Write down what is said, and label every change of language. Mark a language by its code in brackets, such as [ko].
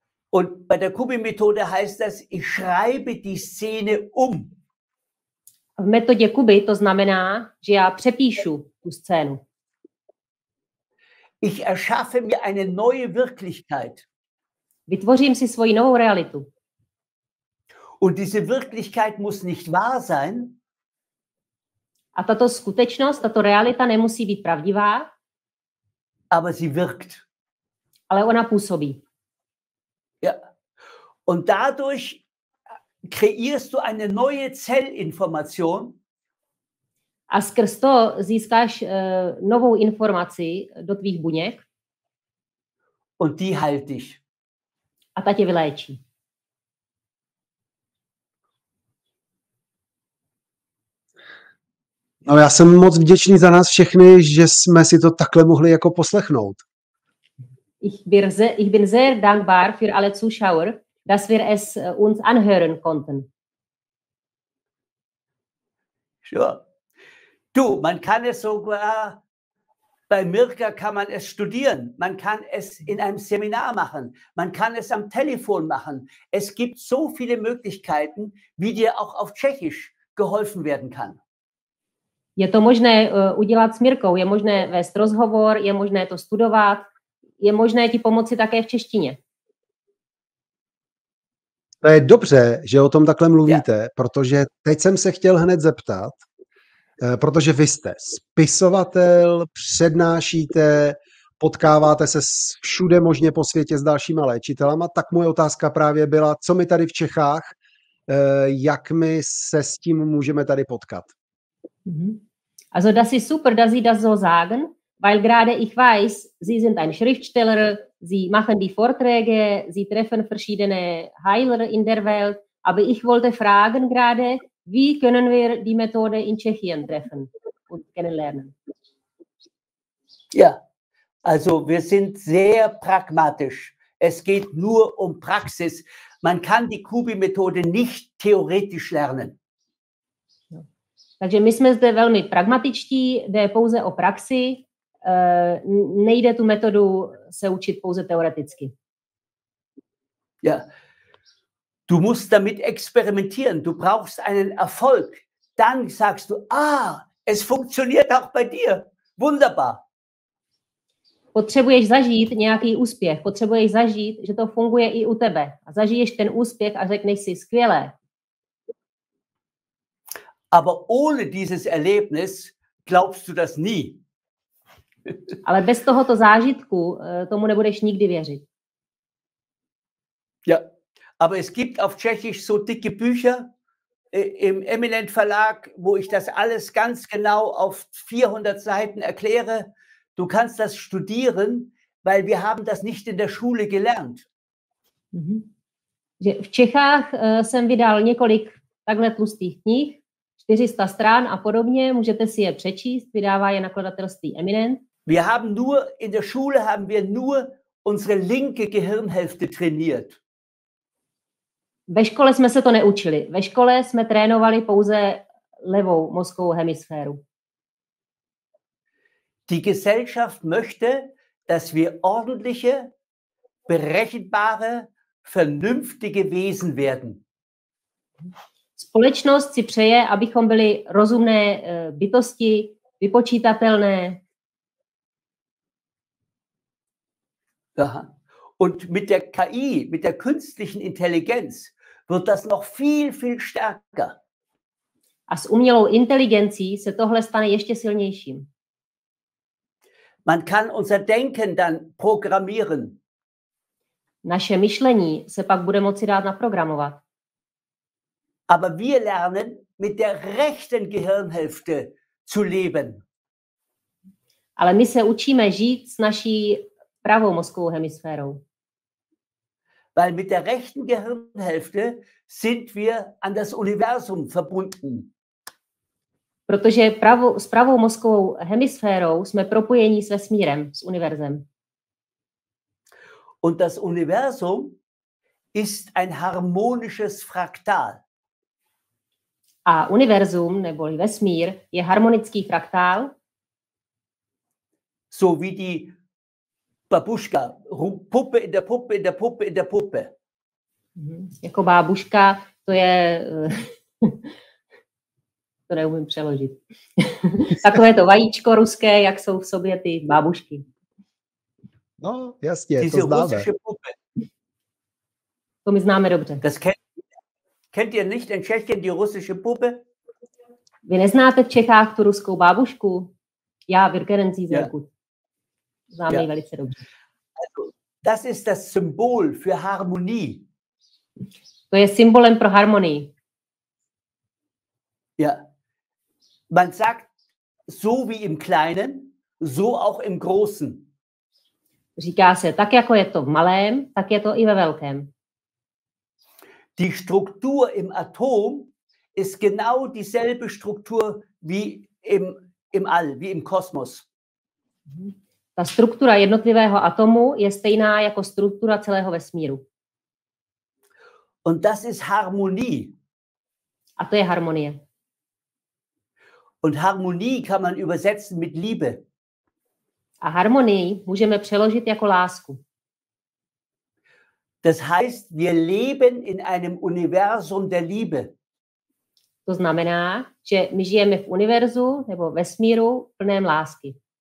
[de] Und bei der Kubi-Methode heißt das, ich schreibe die Szene um. [cs] V metodě Kubi to znamená, že já přepíšu tu scénu. [de] Ich erschaffe mir eine neue Wirklichkeit. [cs] Vytvořím si svoji novou realitu. [de] Und diese Wirklichkeit muss nicht wahr sein. [cs] A tato skutečnost, tato realita nemusí být pravdivá. [de] Aber sie wirkt. [cs] Ale ona působí. [de] Ja. Und dadurch kreierst du eine neue Zellinformation. [cs] A skrz to získáš novou informaci do tvých buněk. [de] Und die heilt dich. [cs] A ta tě vyléčí. No, já jsem moc vděčný za nás všechny, že jsme si to takhle mohli jako poslechnout. [de] Ich bin sehr dankbar für alle Zuschauer, dass wir es uns anhören konnten. [en] Sure. [de] Du, man kann es sogar bei Mirka kann man es studieren. Man kann es in einem Seminar machen. Man kann es am Telefon machen. Es gibt so viele Möglichkeiten, wie dir auch auf Tschechisch geholfen werden kann. [cs] Je to možné udělat s Mirkou, je možné vést rozhovor, je možné to studovat, je možné ti pomoci také v češtině. To je dobře, že o tom takhle mluvíte, protože teď jsem se chtěl hned zeptat, protože vy jste spisovatel, přednášíte, potkáváte se všude možně po světě s dalšíma léčitelama, tak moje otázka právě byla, co my tady v Čechách, jak my se s tím můžeme tady potkat. [de] Also das ist super, dass Sie das so sagen, weil gerade ich weiß, Sie sind ein Schriftsteller, Sie machen die Vorträge, Sie treffen verschiedene Heiler in der Welt, aber ich wollte fragen gerade, wie können wir die Methode in Tschechien treffen und kennenlernen? Ja, also wir sind sehr pragmatisch. Es geht nur um Praxis. Man kann die Kubi-Methode nicht theoretisch lernen. [cs] Takže my jsme zde velmi pragmatičtí, jde pouze o praxi, nejde tu metodu se učit pouze teoreticky. [de] Ja. Du musst damit experimentieren, du brauchst einen Erfolg, dann sagst du, es funktioniert auch bei dir, wunderbar. [cs] Potřebuješ zažít nějaký úspěch, potřebuješ zažít, že to funguje i u tebe. A zažiješ ten úspěch a řekneš si, skvělé. [de] Aber ohne dieses Erlebnis glaubst du das nie. [cs] Ale bez tohoto zážitku tomu nebudeš nikdy věřit. [de] Ja, aber es gibt auf Tschechisch so dicke Bücher im Eminent Verlag, wo ich das alles ganz genau auf 400 Seiten erkläre. Du kannst das studieren, weil wir haben das nicht in der Schule gelernt. Mhm. [cs] V Čechách jsem vydal několik takhle tlustých knih, 400 stran a podobně, můžete si je přečíst, vydává je nakladatelství Eminent. [de] Wir haben nur in der Schule haben wir nur unsere linke Gehirnhälfte trainiert. [cs] Ve škole jsme se to neučili. Ve škole jsme trénovali pouze levou mozkovou hemisféru. [de] Die Gesellschaft möchte, dass wir ordentliche, berechenbare, vernünftige Wesen werden. [cs] Společnost si přeje, abychom byli rozumné bytosti, vypočítatelné. Aha. [de] Und mit der KI, mit der künstlichen Intelligenz, wird das noch viel, viel stärker. [cs] A s umělou inteligencí se tohle stane ještě silnějším. [de] Man kann unser Denken dann programmieren. [cs] Naše myšlení se pak bude moci dát naprogramovat. [de] Aber wir lernen mit der rechten Gehirnhälfte zu leben. [cs] Ale my se učíme žít s naší pravou mozkovou hemisférou. [de] Weil mit der rechten Gehirnhälfte sind wir an das Universum verbunden. [cs] Protože s pravou mozkovou hemisférou jsme propojeni s vesmírem, s univerzem. [de] Und das Universum ist ein harmonisches Fraktal. [cs] A univerzum neboli vesmír je harmonický fraktál. [de] So wie die Babuška, Puppe in der Puppe in der Puppe in der Puppe. [cs] Jako bábuška, to je to neumím přeložit. Takové to vajíčko ruské, jak jsou v sobě ty bábušky. No, jasně, ty to známe. To my známe dobře. [de] Das kennt ihr nicht in Tschechien die russische Puppe? [cs] Vy neznáte v Čechách tu ruskou bábušku? Já, Virgenen Zizelku. Ja. Známe ji velice dobře. [de] Das ist das Symbol für Harmonie. [cs] To je symbolem pro harmonii. [de] Ja. Man sagt, so wie im Kleinen, so auch im Großen. [cs] Říká se, tak jako je to v malém, tak je to i ve velkém. [de] Die Struktur im Atom ist genau dieselbe Struktur wie im All, wie im Kosmos. [cs] Ta struktura jednotlivého atomu je stejná jako struktura celého vesmíru. [de] Und das ist Harmonie. [cs] A to je harmonie. [de] Und Harmonie kann man übersetzen mit Liebe. [cs] A harmonii můžeme přeložit jako lásku. [de] Das heißt, wir leben in einem Universum der Liebe. [cs] To znamená, že my žijeme v univerzu nebo vesmíru plném lásky.